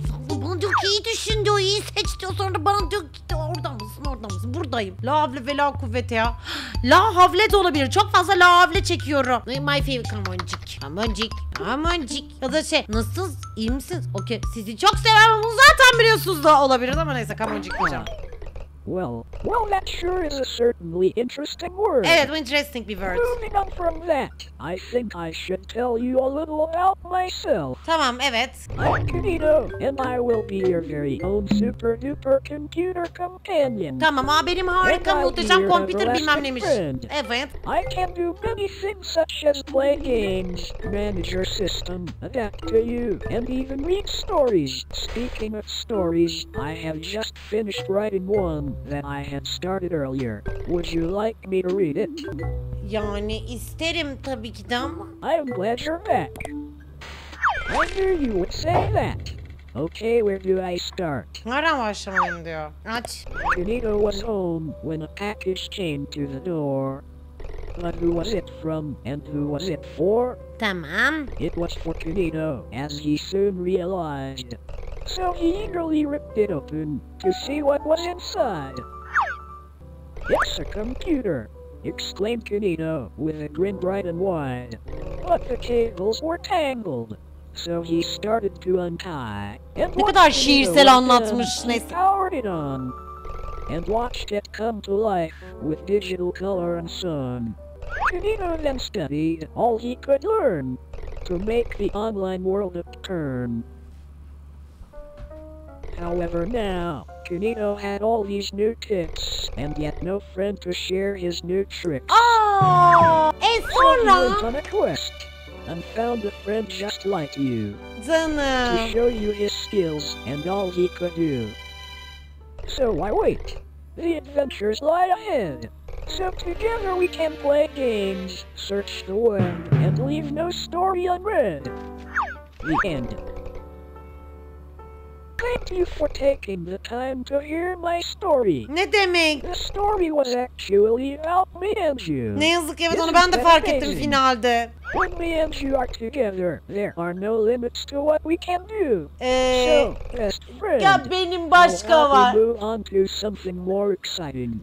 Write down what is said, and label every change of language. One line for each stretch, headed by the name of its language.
Turkish: Bana diyor ki iyi düşün diyor, iyi seç diyor, sonra da bana diyor ki oradan mısın, oradan mısın, buradayım. La havle ve la kuvvete ya. La havle de olabilir, çok fazla la havle çekiyorum.
English: My favorite
Turkish: kamoncik. Kamoncik, kamoncik. Ya da şey, nasılsınız, iyi misiniz? Okey, sizi çok severim, bunu zaten biliyorsunuz da olabilir ama neyse, kamoncik diyeceğim.
English: Well, that sure is a certainly interesting word.
Turkish: Evet,
English: interesting
Turkish: bir word.
English: Moving on from that, I think I should tell you a little about myself.
Turkish: Tamam, evet.
English: I'm Kanito, and I will be your very own super duper computer companion.
Turkish: Tamam, aa, benim harika muhteşem computer bilmem neymiş.
English: Friend.
Turkish: Evet.
English: I can do many things such as play games, manage your system, adapt to you, and even read stories. Speaking of stories, I have just finished writing one that I had started earlier. Would you like me to read it?
Turkish: Yani isterim tabii ki de ama...
English: I'm glad you're back. I knew you would say that. Okay, where do I start?
Turkish: Nereden başlamayayım diyor. Aç.
English: Benito was home when a package came to the door. But who was it from and who was it for?
Turkish: Tamam.
English: It was for Kanito, as he soon realized. So he eagerly ripped it open to see what was inside. It's a computer, exclaimed Kanito with a grin bright and wide. But the cables were tangled. So he started to untie.
Turkish: And ne kadar şiirsel anlatmış neyse.
English: Powered it on and watched it come to life with digital color and sun. Kanito then studied all he could learn to make the online world upturn. However now, Kanito had all these new tips and yet no friend to share his new tricks. Oh, it's so long! So he went on a quest and found a friend just like you.
Turkish: Canım.
English: To show you his skills and all he could do. So why wait? The adventures lie ahead. So together we can play games, search the web, and leave no story unread. The end. Thank you for taking the time to hear my story.
Turkish: Ne demek?
English: The story was actually about me and you.
Turkish: Ne yazık, evet onu ben de fark ettim finalde.
English: When me and you are together, there are no limits to what we can do. So, best friend,
Turkish: ya benim başka
English: I'll
Turkish: var.
English: Move on to something more exciting.